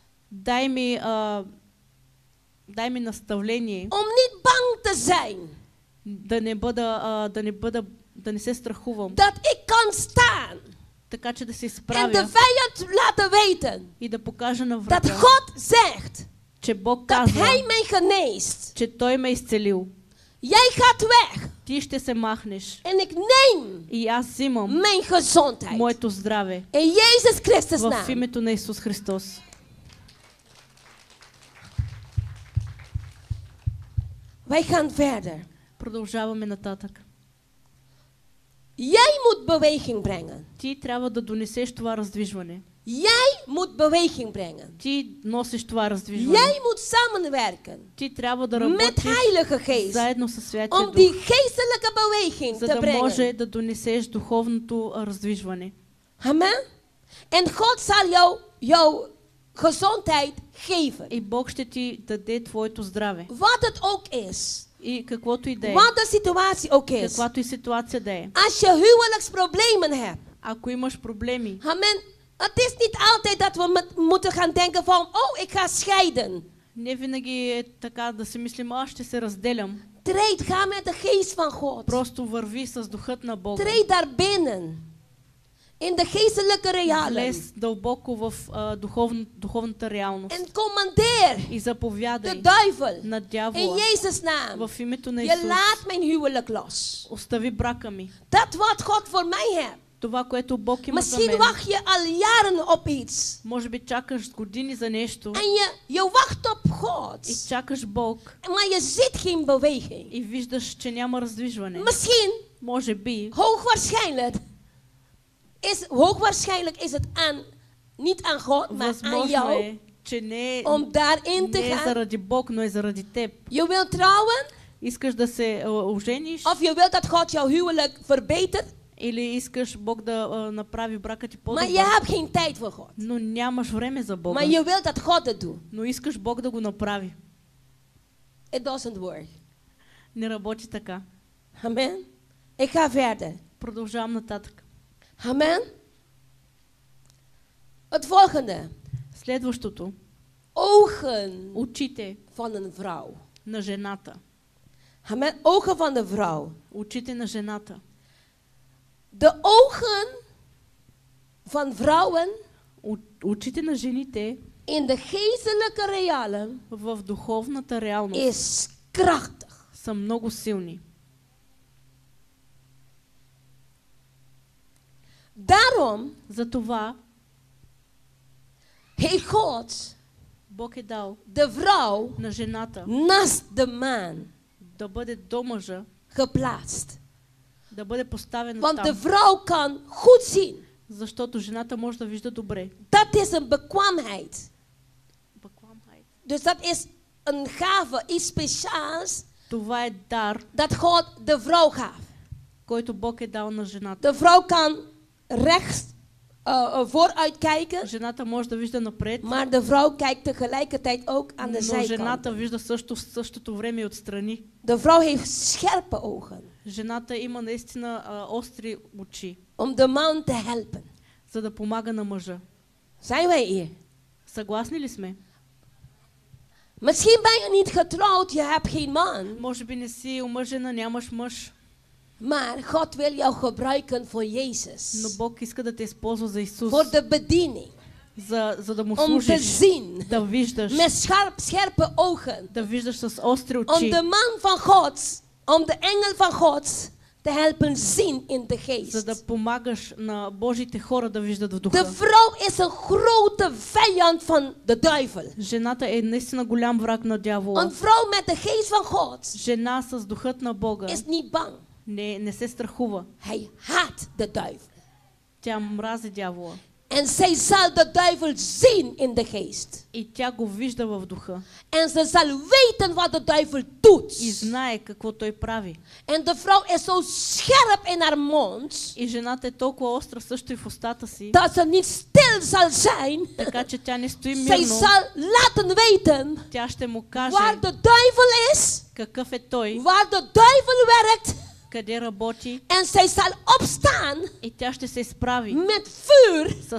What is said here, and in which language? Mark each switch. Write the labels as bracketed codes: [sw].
[bg] Дай ми дай ми наставление. [nl] Om niet bang te zijn. [bg] Да не бъда, да не се страхувам. [nl] Dat ik kan staan. [bg] Така че да се справя. [nl] En de vijand laten weten. [bg] И да покажа на врага. [nl] Dat God zegt. [bg] Че Бог казва. [nl] Dat hij mij geneest. [bg] Че той ме изцелил. [nl] Jij gaat weg. [bg] Ти ще се махнеш. [nl] En ik neem. [bg] И аз взимам. [nl] Mijn gezondheid. [bg] Моето здраве. [nl] In Jezus Christus naam. [bg] В името на Исус Христос. [nl] Wij gaan verder. [bg] Продължаваме нататък. [nl] Jij moet beweging brengen. [bg] Ти трябва да донесеш това раздвижване. [nl] Jij moet beweging brengen. [bg] Ти носиш това раздвижване. [nl] Jij moet samenwerken. [bg] Ти трябва да работиш [nl] met Heilige Geest. [bg] Заедно със Святия Дух. [nl] Om die geestelijke beweging te brengen. [bg] За да може да донесеш духовното раздвижване. [nl] Amen. En God zal jou gezondheid geven. [bg] И Бог ще ти даде твоето здраве. [nl] Wat het ook is. [bg] И каквото и да е. [nl] Wat de situatie ook is. [bg] Каквато и ситуация да е. [nl] Als je huwelijksproblemen hebt. [bg] Ако имаш проблеми. [nl] Amen. Het is niet altijd dat we moeten gaan denken van, oh, ik ga scheiden. [bg] Не винаги е така да си мислим, аз ще се разделям. [nl] Трейд, ga met de geest van God. [bg] Просто върви с духът на Бога. [nl] Трейд daar binnen. In de geestelijke realiteit. [bg] Дълбоко в духовната реалност. [nl] En commandeer. [bg] И заповядай. [nl] De duivel. [bg] На дявола. [nl] In Jezus naam. [bg] В името на Исус. [nl] Je laat mijn huwelijk los. [bg] Остави брака ми. [nl] Dat wat God voor mij heeft. [bg] Това, което Бог има [nl] Misschien [bg] за мен. [nl] Wacht je al jaren op iets. [bg] Може би чакаш години за нещо. [nl] En je wacht op God. [bg] И чакаш Бог. [nl] Maar je ziet geen beweging. [bg] И виждаш, че няма раздвижване. [nl] Misschien. [bg] Може би. [nl] Hoogwaarschijnlijk. Is hoogwaarschijnlijk is het aan niet aan God, maar aan jou. [bg] Че не е, [nl] om daarin te gaan. [bg] Не е заради Бог, но е заради теб. [nl] Je wilt trouwen? [bg] Искаш да се ожениш? [nl] Of je wilt dat God jouw huwelijk verbetert? [bg] Или искаш Бог да направи брака ти по-добър. [nl] Maar je hebt geen tijd voor God. [bg] Но нямаш време за Бога. [nl] Maar je wilt dat God het doet. [bg] Но искаш Бог да го направи. [en] It doesn't work. [bg] Не работи така. [nl] Amen. Ik ga verder. [bg] Продължавам нататък. [nl] Amen. Het volgende. [bg] Следващото. [nl] Ogen [bg] Очите [nl] van een vrouw. [bg] На жената. [nl] Amen. Ogen van de vrouw. [bg] Очите на жената. [nl] De ogen van vrouwen [bg] Очите на жените [nl] in de geestelijke realen [bg] в духовната реалност [nl] is krachtig. [bg] Са много силни. [nl] Daarom [bg] за това [nl] heeft God [bg] Бог е дал [nl] de vrouw [bg] на жената [nl] naast de man [bg] да бъде до мъжа [nl] geplaatst. [bg] Да бъде поставена там. [nl] Want de vrouw kan goed zien. [bg] Защото жената може да вижда добре. [nl] Dat is een bekwaamheid. Dus dat is een gave, iets speciaals. [bg] Това е дар. [nl] Dat God de vrouw gaf. [bg] Който Бог е дал на жената. [nl] De vrouw kan rechts vooruit kijken. [bg] Жената може да вижда напред. [nl] Maar de vrouw kijkt tegelijkertijd ook aan de zijkant. [bg] Но жената вижда също в същото време и отстрани. [nl] De vrouw heeft scherpe ogen. [bg] Жената има наистина остри очи. [nl] Om de man te helpen. [bg] За да помага на мъжа. [nl] Zijn wij hier? [bg] Съгласни ли сме? [nl] Misschien ben je niet getrouwd, je hebt geen man. [bg] Може би не си омъжена, нямаш мъж. [nl] Maar God wil jou gebruiken voor Jezus. [bg] Но Бог иска да те използва за Исус. [nl] Voor de bediening. [bg] За да му [nl] om [bg] служиш. [nl] Om te zien. [bg] Да виждаш. [nl] Met scherpe ogen. [bg] Да виждаш с остри очи. [nl] Om de man van God, om de engel van God te helpen zien in de geest. [bg] За да помагаш на Божите хора да виждат в духа. [nl] De vrouw is een grote vijand van de duivel. [bg] Жената е наистина голям враг на дявола. [nl] Een vrouw met de geest van God. [bg] Жена с духът на Бога. [nl] Is niet bang. [bg] Не се страхува. [nl] Hij haat de duivel. [bg] Тя мрази дявола. [nl] En zij zal de duivel zien in de geest. [bg] И тя го вижда в духа. [nl] En ze zal weten wat de duivel doet. [bg] И знае какво той прави. [nl] En de vrouw is so scherp in haar mond. [bg] И жената е толкова остра също и в устата си. [nl] Dat ze niet stil zal zijn. [bg] Така че тя не стои мирно. [nl] Zij zal laten weten. [bg] Тя ще му каже. [nl] Waar de duivel is. [bg] Какъв е той. [nl] Waar de duivel werkt. [bg] Къде работи? [nl] En zij zal opstaan. [bg] И тя ще се изправи. [nl] Met vuur.